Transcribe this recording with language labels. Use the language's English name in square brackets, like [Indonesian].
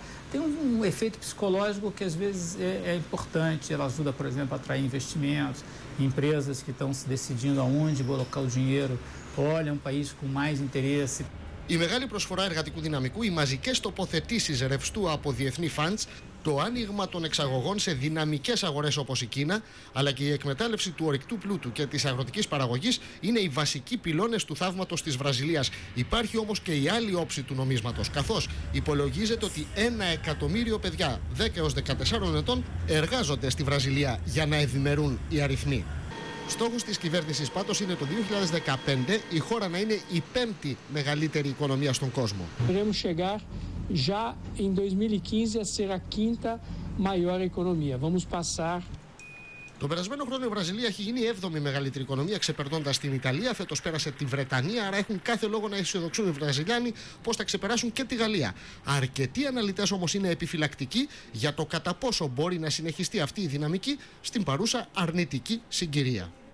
[Portuguese] Tem um efeito psicológico que às vezes é importante. Ela ajuda, por exemplo, a atrair investimentos. Empresas que estão se decidindo aonde colocar o dinheiro olham um país com mais interesse. [Greek] Η μεγάλη προσφορά εργατικού δυναμικού, οι μαζικές τοποθετήσεις ρευστού από διεθνή funds, το άνοιγμα των εξαγωγών σε δυναμικές αγορές όπως η Κίνα, αλλά και η εκμετάλλευση του ορυκτού πλούτου και της αγροτικής παραγωγής είναι οι βασικοί πυλώνες του θαύματος της Βραζιλίας. Υπάρχει όμως και η άλλη όψη του νομίσματος, καθώς υπολογίζεται ότι 1 εκατομμύριο παιδιά 10 έως 14 ετών εργάζονται στη Βραζιλία για να ευημερούν οι αριθμοί. Στόχος της κυβέρνησης πάντως είναι το 2015 η χώρα να είναι η πέμπτη μεγαλύτερη οικονομία στον κόσμο. [Portuguese] Queremos chegar já em 2015 a ser a quinta maior economia. Vamos passar. [Greek] Το περασμένο χρόνο η Βραζιλία έχει γίνει 7η μεγαλύτερη οικονομία, ξεπερνώντας την Ιταλία. Φέτος πέρασε τη Βρετανία, άρα έχουν κάθε λόγο να αισιοδοξούν οι Βραζιλιάνοι πως θα ξεπεράσουν και τη Γαλλία. Αρκετοί αναλυτές όμως είναι επιφυλακτικοί για το κατά πόσο μπορεί να συνεχιστεί αυτή η δυναμική στην παρούσα αρνητική συγκυρία.